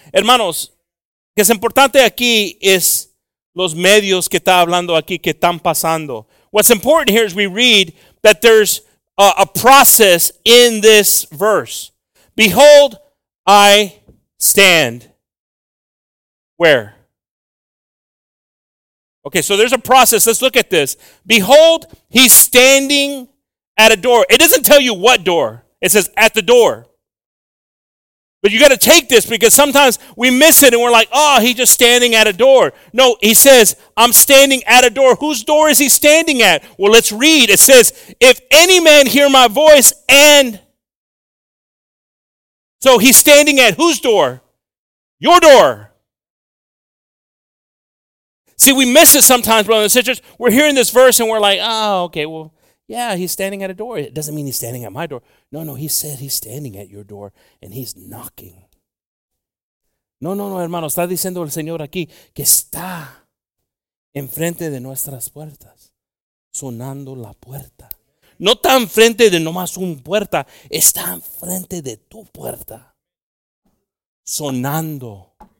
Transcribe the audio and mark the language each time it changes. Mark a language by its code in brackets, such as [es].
[es] Hermanos, lo que es importante aquí es los medios que está hablando aquí, que están pasando. [en] What's important here is we read that there's a process in this verse. Behold, I stand. Where? Okay, so there's a process. Let's look at this. Behold, he's standing at a door. It doesn't tell you what door. It says at the door. But you got to take this, because sometimes we miss it and we're like, oh, he's just standing at a door. No, he says, I'm standing at a door. Whose door is he standing at? Well, let's read. It says, if any man hear my voice and... So he's standing at whose door? Your door. See, we miss it sometimes, brothers and sisters. We're hearing this verse and we're like, oh, okay, well, yeah, he's standing at a door. It doesn't mean he's standing at my door. No, no, he said he's standing at your door and he's knocking. [es] No, no, no, hermano. Está diciendo el Señor aquí que está enfrente de nuestras puertas, sonando la puerta. No está enfrente de nomás un puerta. Está enfrente de tu puerta, sonando.